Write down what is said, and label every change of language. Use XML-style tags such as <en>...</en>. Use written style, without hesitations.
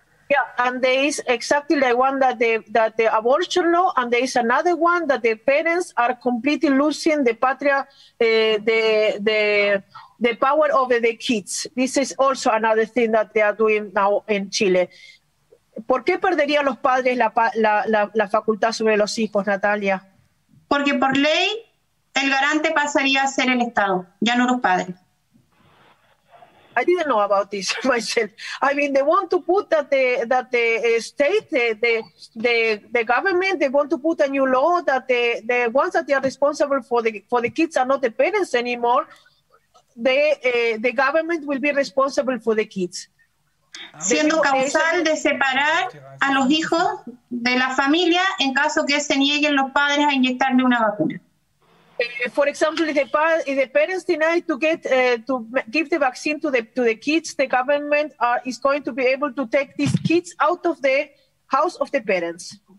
<en>Yeah, and there is exactly the one that the abortion law, and there is another one that the parents are completely losing the patria, the power over the kids. This is also another thing that they are doing now in Chile.</en> <es>¿Por qué perderían los padres la facultad sobre los hijos, Natalia? Porque por ley el garante pasaría a ser el Estado, ya no los padres.</es> <en>I didn't know about this myself. I mean, they want to put that the state, the government, they want to put a new law that the ones that they are responsible for the kids are not the parents anymore. The government will be responsible for the kids.</en> <es>Siendo causal de separar a los hijos de la familia en caso que se nieguen los padres a inyectarle una vacuna.</es> <en>For example, if the parents deny to give the vaccine to the kids, the government is going to be able to take these kids out of the house of the parents.</en>